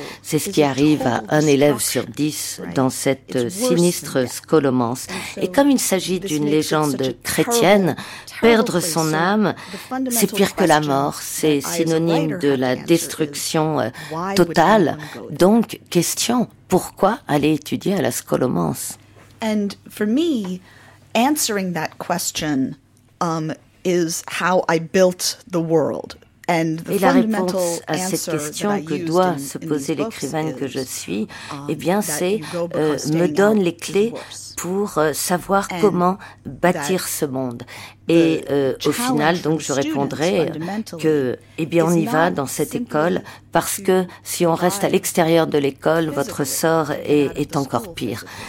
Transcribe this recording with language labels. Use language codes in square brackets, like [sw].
[fr] C'est ce qui arrive à 1 élève sur 10 dans cette sinistre scolomance. Et comme il s'agit d'une légende chrétienne, perdre son âme, c'est pire que la mort, c'est synonyme de la destruction totale. Donc, question, pourquoi aller étudier à la scolomance? [en] And for me, answering that question is how I built the world. [fr] Et la réponse à cette question que doit se poser l'écrivaine que je suis, eh bien, c'est me donne les clés pour savoir comment bâtir ce monde. Et au final, donc, je répondrai que, eh bien, on y va dans cette école parce que si on reste à l'extérieur de l'école, votre sort est encore pire.